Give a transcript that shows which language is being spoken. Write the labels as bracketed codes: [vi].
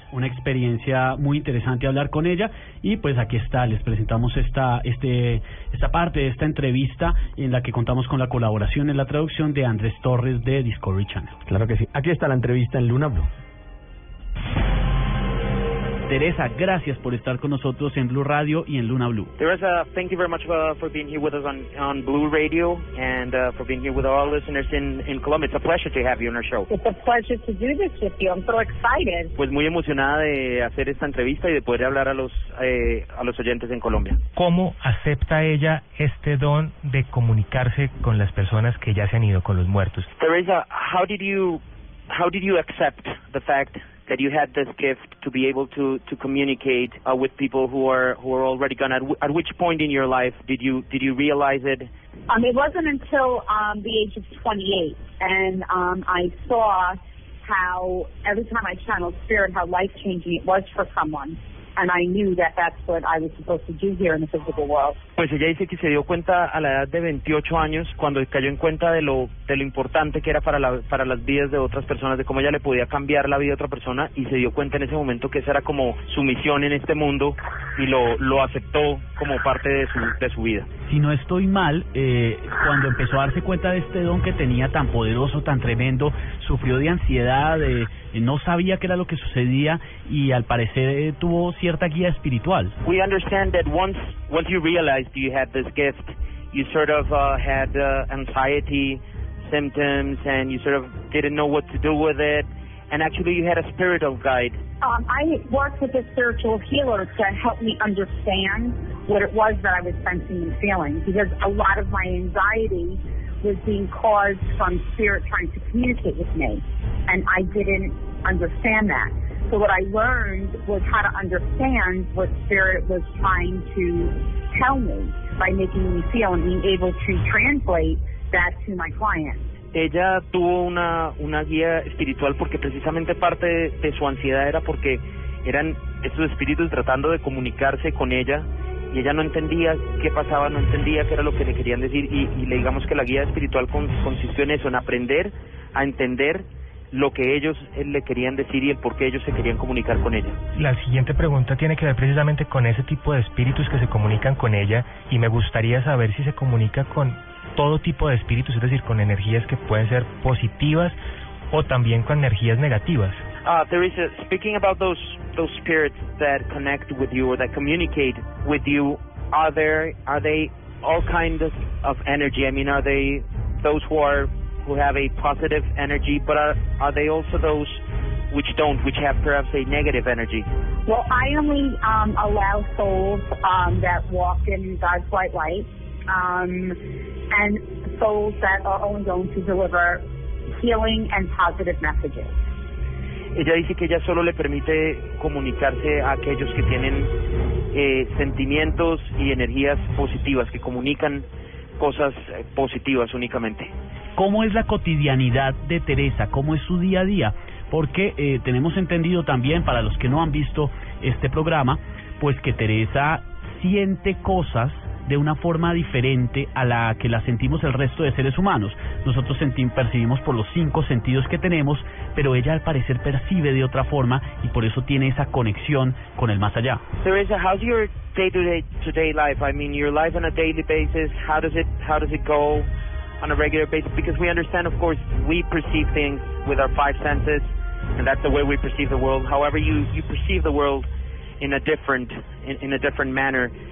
[es] Una experiencia muy interesante hablar con ella, y pues aquí está, les presentamos esta parte de esta entrevista en la que contamos con la colaboración en la traducción de Andrés Torres de Discovery Channel. Claro que sí, aquí está la entrevista en Luna Blue. Teresa, gracias por estar con nosotros en Blue Radio y en Luna Blue. [en] Teresa, thank you very much for being here with us on Blue Radio and for being here with our listeners in Colombia. It's a pleasure to have you on our show. It's a pleasure to do this with you. I'm so excited. [es] Pues muy emocionada de hacer esta entrevista y de poder hablar a los oyentes en Colombia. ¿Cómo acepta ella este don de comunicarse con las personas que ya se han ido, con los muertos? [en] Teresa, how did you accept the fact that you had this gift to be able to communicate with people who are already gone? At which point in your life did you realize it? It wasn't until the age of 28, and I saw how every time I channeled spirit, how life changing it was for someone, and I knew that's what I was supposed to do here in the physical world. [es] Pues ella dice que se dio cuenta a la edad de 28 años cuando cayó en cuenta de lo importante que era para las vidas de otras personas, de cómo ella le podía cambiar la vida a otra persona, y se dio cuenta en ese momento que esa era como su misión en este mundo y lo aceptó como parte de su vida. Si no estoy mal, cuando empezó a darse cuenta de este don que tenía tan poderoso, tan tremendo, sufrió de ansiedad, no sabía qué era lo que sucedía, y al parecer tuvo cierta guía espiritual. [en] We understand that once you realized you had this gift, you sort of had anxiety symptoms, and you sort of didn't know what to do with it, and actually you had a spiritual guide. I worked with a spiritual healer to help me understand what it was that I was sensing and feeling, because a lot of my anxiety was being caused from spirit trying to communicate with me, and I didn't understand that. So what I learned was how to understand what spirit was trying to tell me by making me feel and being able to translate that to my client. [es] Ella tuvo una guía espiritual porque precisamente parte de su ansiedad era porque eran esos espíritus tratando de comunicarse con ella, y ella no entendía qué pasaba, no entendía qué era lo que le querían decir, y le digamos que la guía espiritual consistió en eso, en aprender a entender lo que ellos le querían decir y el por qué ellos se querían comunicar con ella. La siguiente pregunta tiene que ver precisamente con ese tipo de espíritus que se comunican con ella, y me gustaría saber si se comunica con todo tipo de espíritus, es decir, con energías que pueden ser positivas o también con energías negativas. [en] Teresa, speaking about those spirits that connect with you or that communicate with you, are they all kinds of energy? I mean, are they those who have a positive energy, but are they also those which don't, which have perhaps a negative energy? Well, I only allow souls that walk in God's white light and souls that are only going to deliver healing and positive messages. [es] Ella dice que ella solo le permite comunicarse a aquellos que tienen sentimientos y energías positivas, que comunican cosas positivas únicamente. ¿Cómo es la cotidianidad de Teresa? ¿Cómo es su día a día? Porque tenemos entendido también, para los que no han visto este programa, pues que Teresa siente cosas de una forma diferente a la que la sentimos el resto de seres humanos. Nosotros percibimos por los 5 sentidos que tenemos, pero ella al parecer percibe de otra forma y por eso tiene esa conexión con el más allá. [en] Teresa, how's your day-to-day life? I mean, your life on a daily basis, how does it go on a regular basis? Because we understand, of course, we perceive things with our 5 senses, and that's the way we perceive the world. However, you perceive the world in a different manner.